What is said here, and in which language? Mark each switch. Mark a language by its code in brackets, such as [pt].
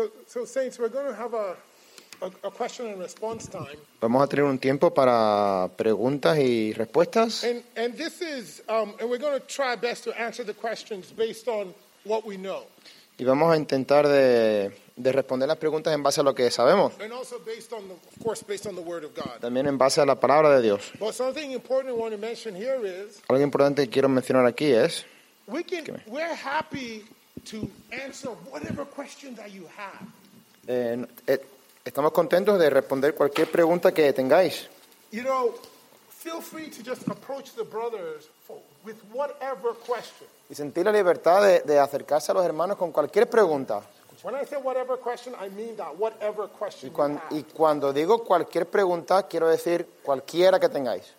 [en] So Saints, we're going to have a question and response time. [es] Vamos a tener un tiempo para preguntas y respuestas. [en] And this is and we're going to try best to answer the questions based on what we know. [es] Y vamos a intentar de responder las preguntas en base a lo que sabemos. [en] And also based on the, of course, based on the word of God. [es] También en base a la palabra de Dios. [en] But something important I want to mention here is, [es] algo importante que quiero mencionar aquí es, [en] we're happy to answer whatever question that you have. [es] Estamos contentos de responder cualquier pregunta que tengáis. [en] You know, feel free to just approach the brothers with whatever question. [es] Y sentir la libertad de acercarse a los hermanos con cualquier pregunta. [en] When I say whatever question, I mean that whatever question. [es] Y cuando digo cualquier pregunta, quiero decir cualquiera que tengáis.